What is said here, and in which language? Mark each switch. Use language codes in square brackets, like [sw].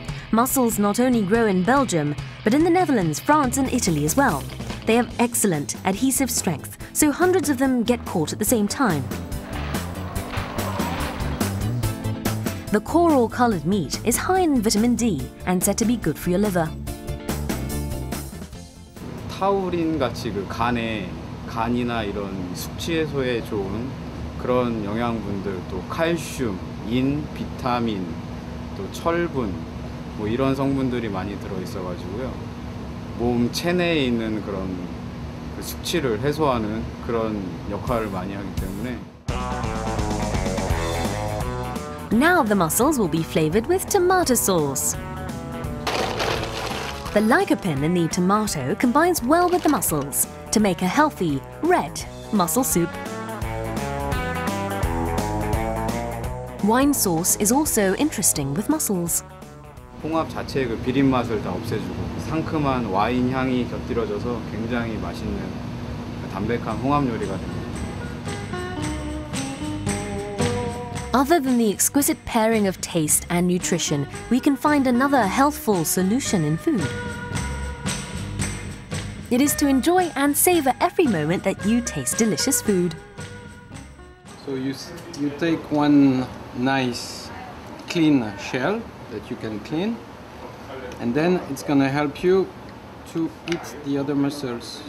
[en] Mussels not only grow in Belgium, but in the Netherlands, France and Italy as well. They have excellent adhesive strength, so hundreds of them get caught at the same time. The coral-coloured meat is high in vitamin D and said to be good for your liver. [ko] Taurin 같이 그 간이나 이런 숙취 해소에 좋은 그런 영양분들 또 칼슘, 인, 비타민, 또 철분 뭐 이런 성분들이 많이 들어 있어 가지고요. 몸 체내에 있는 그런 숙취를 해소하는 그런 역할을 많이 하기 때문에. [en] Now the mussels will be flavored with tomato sauce. The lycopene in the tomato combines well with the mussels to make a healthy red mussel soup. Wine sauce is also interesting with mussels. [ko] 홍합 자체의 그 비린 맛을 다 없애주고 상큼한 와인 향이 곁들여져서 굉장히 맛있는 담백한 홍합 요리가 됩니다. [en] Other than the exquisite pairing of taste and nutrition, we can find another healthful solution in food. It is to enjoy and savor every moment that you taste delicious food. So you take one nice clean shell that you can clean, and then it's going to help you to eat the other muscles.